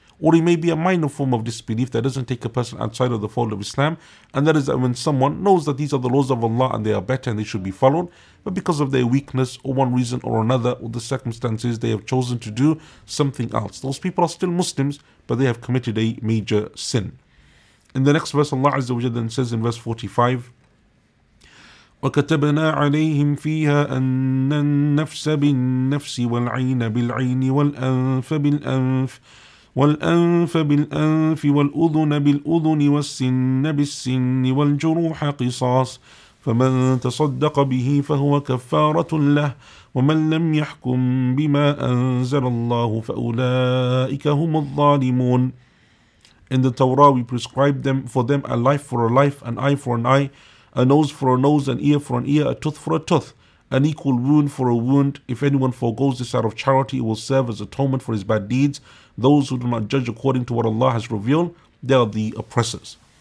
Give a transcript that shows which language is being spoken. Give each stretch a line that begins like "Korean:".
English: Or it may be a minor form of disbelief that doesn't take a person outside of the fold of Islam, and that is that when someone knows that these are the laws of Allah and they are better and they should be followed, but because of their weakness or one reason or another or the circumstances, they have chosen to do something else. Those people are still Muslims, but they have committed a major sin. In the next verse, Allah Azza wa Jalla then says in verse 45,
Arabic: وَكَتَبْنَا عَلَيْهِمْ فِيهَا أَنَّ النَّفْسَ بِالنَّفْسِ وَالْعَيْنَ بِالْعَيْنِ وَالْأَنْفَ بِالْأَنْفِ وَالْأَنْفَ بِالْأَنْفِ وَالْأُذُنَ بِالْأُذُنِ وَالسِّنَّ بِالسِّنِّ وَالْجُرُوحَ قِصَاصٌ فَمَنْ تَصَدَّقَ بِهِ فَهُوَ كَفَّارَةٌ لَهُ وَمَنْ لَمْ يَحْكُمْ بِمَا أَنْزَلَ اللَّهُ فَأُولَئِكَ هُمُ الظَّالِمُونَ.
English: In the Torah we prescribe them for them a life for a life, an eye for an eye, a nose for a nose, an ear for an ear, a tooth for a tooth, an equal wound for a wound. If anyone forgoes this out of charity, it will serve as atonement for his bad deeds. Those who do not judge according to what Allah has revealed, they are the oppressors.